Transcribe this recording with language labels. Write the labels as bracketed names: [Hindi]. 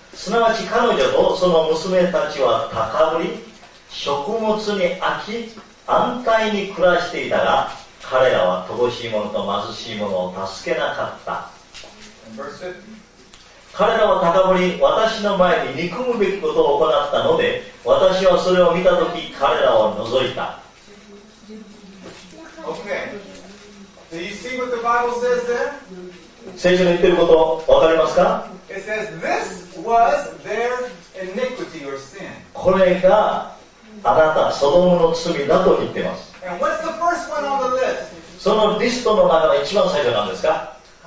[Japanese] すなわち彼女とその娘たちは高ぶり、食物に飽き、安泰に暮らしていたが、彼らは乏しい者と貧しい者を助けなかった。彼らは高ぶり、私の前に憎むべきことを行ったので、私はそれを見たとき彼らを除いた。 [English] Okay. Do you see what the Bible says there? [Japanese] 聖書の言ってること分かりますか? [English] It says this was their iniquity or sin. [Japanese] これがあなたソドムの罪だと言っています。 [English] And what's the first one on the list? [Japanese] そのリストの中の一番最初なんですか?